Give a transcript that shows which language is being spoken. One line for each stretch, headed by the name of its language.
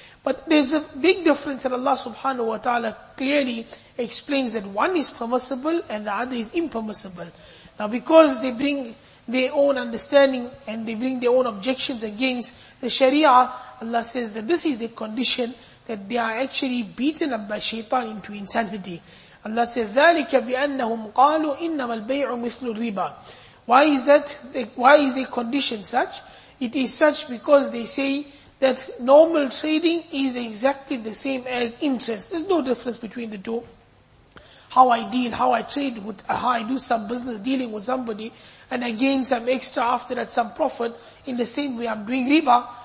English: But there's a big difference that Allah subhanahu wa ta'ala clearly explains that one is permissible and the other is impermissible. Now because they bring their own understanding and they bring their own objections against the sharia, Allah says that this is the condition that they are actually beaten up by shaitan into insanity. Allah says,
Arabic: ذَلِكَ بِأَنَّهُمْ قَالُوا إِنَّمَا الْبَيْعُ مِثْلُ الرِّبَى.
English: Why is that? Why is the condition such? It is such because they say that normal trading is exactly the same as interest. There's no difference between the two. How I deal, how I trade with, how I do some business dealing with somebody, and I gain some extra after that, some profit, in the same way I'm doing riba.